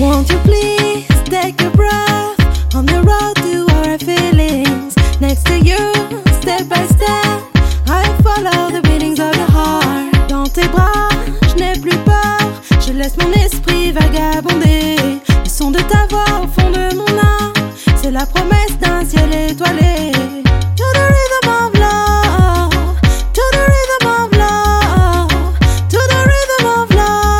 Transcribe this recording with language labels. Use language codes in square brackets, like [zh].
[en] won't you please take a breath on the road to our feelings? Next to you, step by step, I follow the beatings of your heart. [fr] Dans tes bras, je n'ai plus peur. Je laisse mon esprit vagabonder. Le son de ta voix au fond de mon âme, c'est la promesse d'un ciel étoilé. [en] To the rhythm of love, to the rhythm of love, to the rhythm of love.